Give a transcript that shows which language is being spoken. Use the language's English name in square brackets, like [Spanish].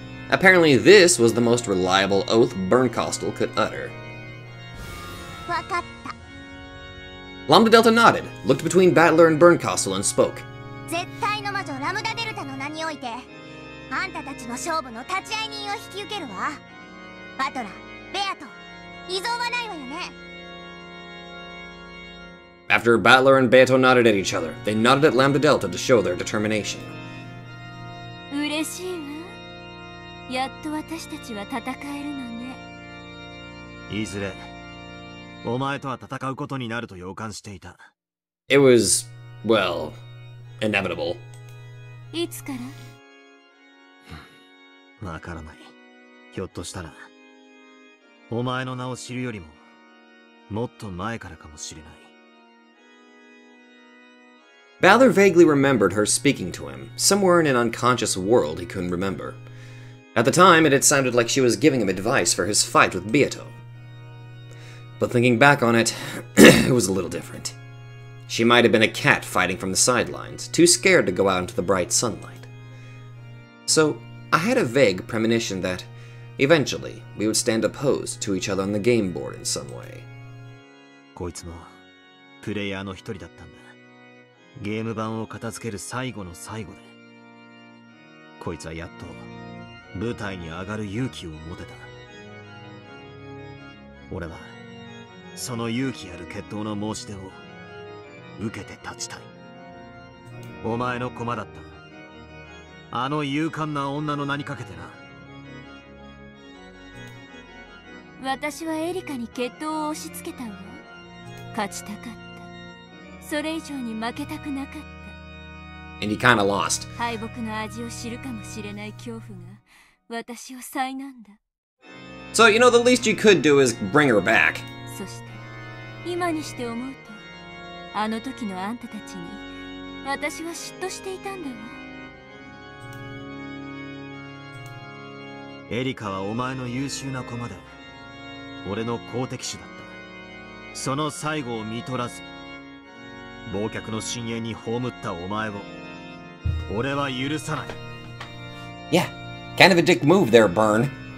[English] Apparently, this was the most reliable oath Bernkostel could utter. [Japanese] わかった。 [English] Lambda Delta nodded, looked between Battler and Bernkostel, and spoke. [Japanese] 絶対の魔女ラムダデルタの名において、あんたたちの勝負の立ち会い人を引き受けるわ。バトラ、ベアト、異存はないわよね。 [English] After Battler and Beato nodded at each other, they nodded at Lambda Delta to show their determination. [Japanese] 嬉しいわ。やっと私たちは戦えるのね。いずれ、お前とは戦うことになると予感していた。 [English] It was, well, inevitable. [Japanese] いつから? わからない。ひょっとしたら、お前の名を知るよりも、もっと前からかもしれない。 [English] Battler vaguely remembered her speaking to him, somewhere in an unconscious world he couldn't remember. At the time, it had sounded like she was giving him advice for his fight with Beato. But thinking back on it, it was a little different. She might have been a cat fighting from the sidelines, too scared to go out into the bright sunlight. So, I had a vague premonition that, eventually, we would stand opposed to each other on the game board in some way. [Japanese] こいつもプレイヤーの一人だったんだ。ゲーム版を片付ける最後の最後で、こいつはやっと舞台に上がる勇気を持てた。俺はその勇気ある決闘の申し出を受けて立ちたい。お前の駒だった。あの勇敢な女の名にかけてな。私はエリカに決闘を押し付けたわ。勝ちたかった。それ以上に負けたくなかった。 [English] And he kinda lost. [Japanese] 敗北の味を知るかもしれない恐怖が私を災難だ。 [English] So, you know, the least you could do is bring her back. [Japanese] そして、今にして思うと、あの時のあんたたちに私は嫉妬していたんだわ。エリカはお前の優秀な駒で、俺の好敵手だった。その最後を見取らず、忘却の深淵に葬ったお前を俺は許さない。 [English] Yeah, kind of a dick move there, Burn.